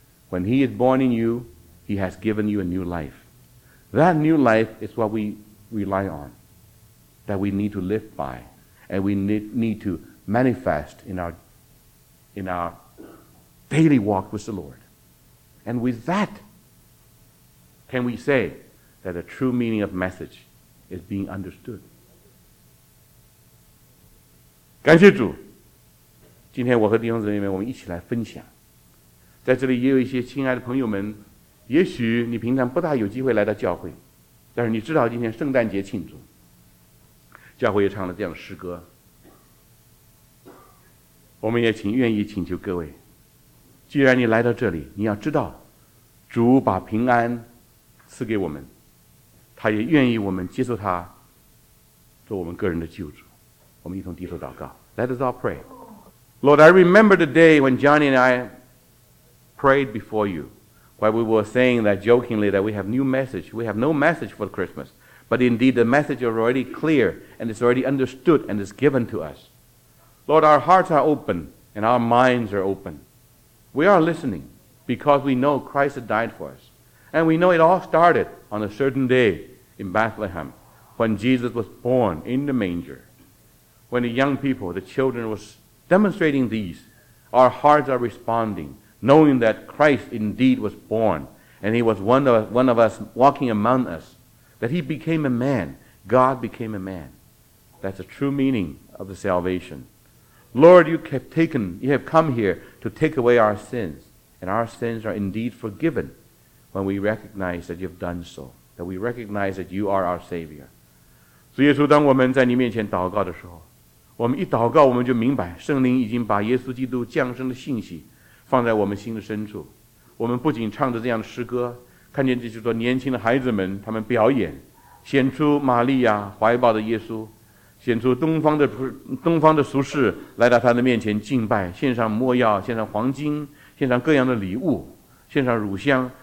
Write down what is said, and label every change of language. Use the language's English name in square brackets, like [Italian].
[English] When he is born in you, he has given you a new life. That new life is what we rely on, that we need to live by, and we need to manifest in our daily walk with the Lord. And with that, can we say that the true meaning of message is being understood. [Chinese] 感谢主，今天我和弟兄姊妹们我们一起来分享。在这里也有一些亲爱的朋友们，也许你平常不大有机会来到教会，但是你知道今天圣诞节庆祝，教会也唱了这样的诗歌，我们也愿意请求各位，既然你来到这里，你要知道主把平安赐给我们，他也愿意我们接受他做我们个人的救主。我们一同低头祷告。 [English] Let us all pray. Lord, I remember the day when Johnny and I prayed before you, while we were saying that jokingly that we have new message, we have no message for Christmas, but indeed the message is already clear and is already understood and is given to us. Lord, our hearts are open and our minds are open. We are listening because we know Christ has died for us. And we know it all started on a certain day in Bethlehem when Jesus was born in the manger. When the young people, the children, was demonstrating these, our hearts are responding, knowing that Christ indeed was born and he was one of us walking among us, that he became a man, God became a man. That's the true meaning of the salvation. Lord, you have come here to take away our sins, and our sins are indeed forgiven. When we recognize that you've done so, that we recognize that you are our Savior. [Chinese] 主耶稣，当我们在你面前祷告的时候，我们一祷告，我们就明白圣灵已经把耶稣基督降生的信息放在我们心的深处。我们不仅唱着这样的诗歌，看见这些年轻的孩子们，他们表演，显出玛利亚怀抱的耶稣，显出东方的俗世来到他的面前敬拜，献上末药，献上黄金，献上各样的礼物，献上乳香。